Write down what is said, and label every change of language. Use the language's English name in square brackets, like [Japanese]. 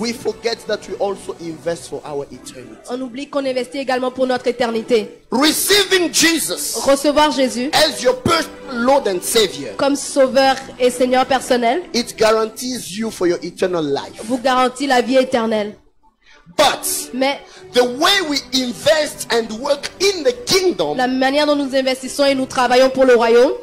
[English] we forget that we also invest for our eternity. [French] On oublie qu'on investit également pour notre éternité. [English] Receiving Jesus, [French] recevoir Jésus, [English] as your personal Lord and Savior, [French] comme Sauveur et Seigneur personnel, [English] it guarantees you for your eternal life. [French] Vous garantit la vie éternelle. [English] But, [French] mais [English] the way we invest and work in the kingdom, [French] la manière dont nous investissons et nous travaillons pour le royaume,